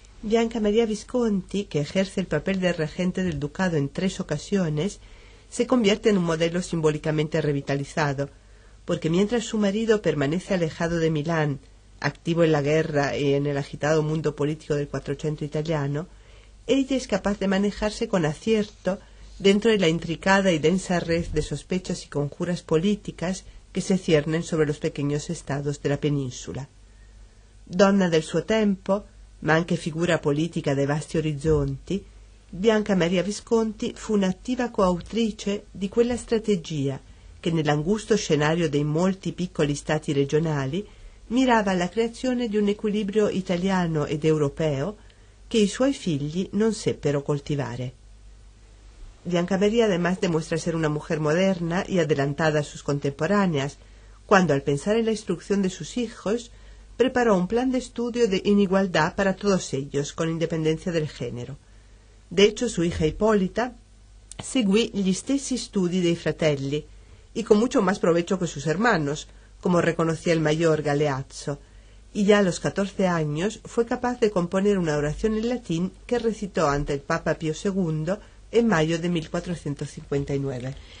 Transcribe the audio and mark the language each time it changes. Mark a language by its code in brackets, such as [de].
[es] Bianca María Visconti, que ejerce el papel de regente del ducado en 3 ocasiones, se convierte en un modelo simbólicamente revitalizado, porque mientras su marido permanece alejado de Milán, activo en la guerra y en el agitado mundo político del 400 italiano, ella es capaz de manejarse con acierto dentro de la intricada y densa red de sospechas y conjuras políticas que se ciernen sobre los pequeños estados de la península. [it] Donna del suo tempo, ma anche figura politica dei vasti orizzonti, Bianca Maria Visconti fu un'attiva coautrice di quella strategia che nell'angusto scenario dei molti piccoli stati regionali mirava alla creazione di un equilibrio italiano ed europeo che i suoi figli non seppero coltivare. [es] Bianca Maria además demuestra ser una mujer moderna y adelantada a sus contemporáneas, cuando al pensar en la instrucción de sus hijos preparó un plan de estudio de inigualdad para todos ellos, con independencia del género. De hecho, su hija Hipólita seguí [it] gli stessi studi dei fratelli, [es] y con mucho más provecho que sus hermanos, como reconocía el mayor Galeazzo, y ya a los 14 años fue capaz de componer una oración en latín que recitó ante el Papa Pío II en mayo de 1459.